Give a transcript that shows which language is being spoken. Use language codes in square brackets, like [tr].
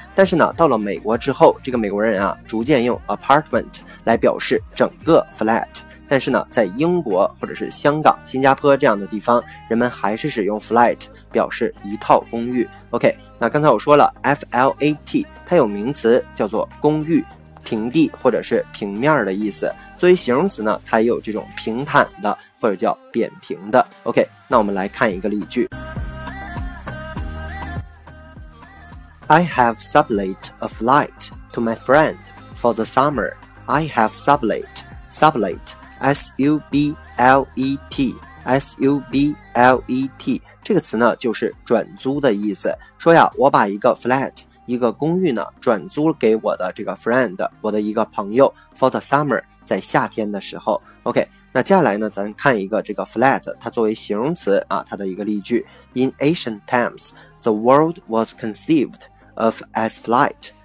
[zh] 但是呢到了美国之后，这个美国人啊逐渐用 apartment 来表示整个 flat， 但是呢在英国或者是香港、新加坡这样的地方，人们还是使用 flat 表示一套公寓。 OK， 那刚才我说了 flat 它有名词叫做公寓、平地或者是平面的意思，作为形容词呢它也有这种平坦的或者叫扁平的。 OK， 那我们来看一个例句。 [en] I have sublet a flat to my friend for the summer. I have sublet [zh] S-U-B-L-E-T S-U-B-L-E-T 这个词呢就是转租的意思，说呀我把一个 flat一个公寓呢转租给我的这个 friend， 我的一个朋友， [en] for the summer， [zh] 在夏天的时候。 OK， 那接下来呢咱看一个这个 flat 它作为形容词啊，它的一个例句。 [en] In ancient times the world was conceived of as flat.